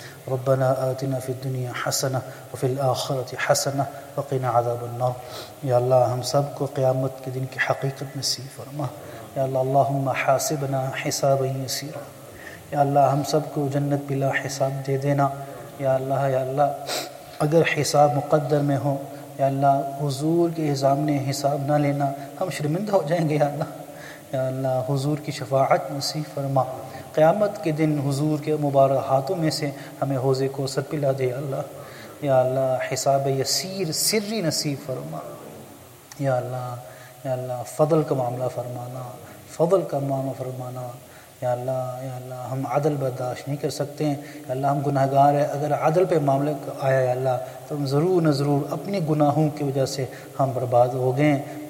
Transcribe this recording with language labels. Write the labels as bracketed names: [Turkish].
[Arabic] ربنا آتنا في الدنيا حسنة وفي الآخرة حسنة وقنا عذاب النار. [Urdu] يا الله ہم سب کو قیامت کے دن کی حقیقت نصیب فرما. [Arabic] يا الله اللهم حاسبنا حسابا يسيرا. [Urdu] يا الله ہم سب کو جنت بلا حساب دے دینا. يا الله يا الله اگر حساب مقدر میں ہو يا الله حضور کے سامنے حساب نہ لینا ہم شرمندہ ہو جائیں گے. يا الله حضور کی شفاعت نصیب فرما. قیامت کے دن حضور کے مبارک ہاتھوں میں سے ہمیں حوض کوثر پلا دے. اللہ یا اللہ حساب یسیر سری نصیب فرما. یا اللہ یا اللہ فضل کا معاملہ فرمانا, فضل کا معاملہ فرمانا. یا اللہ ہم عدل برداشت نہیں کر سکتے ہیں. یا اللہ ہم گناہگار ہیں, اگر عدل پہ معاملہ آیا یا اللہ تو ہم ضرور نہ ضرور اپنے گناہوں کی وجہ سے ہم برباد ہو گئے ہیں.